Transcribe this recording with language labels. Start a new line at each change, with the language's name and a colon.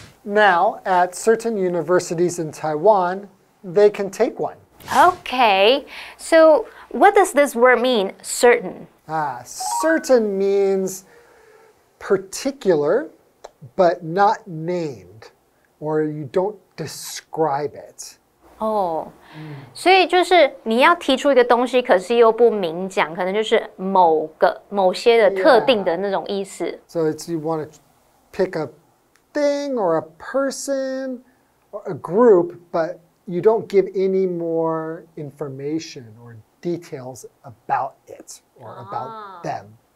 English: Now at certain universities in Taiwan, they can take one. Okay, so what does this word mean? Certain. Certain means particular, but not named, or you don't describe it.
Chinese: 所以就是你要提出一个东西，可是又不明讲，可能就是某个某些的特定的那种意思。
English: Yeah. So it's you want to pick a thing or a person or a group, but you don't give any more information or details about it or about them.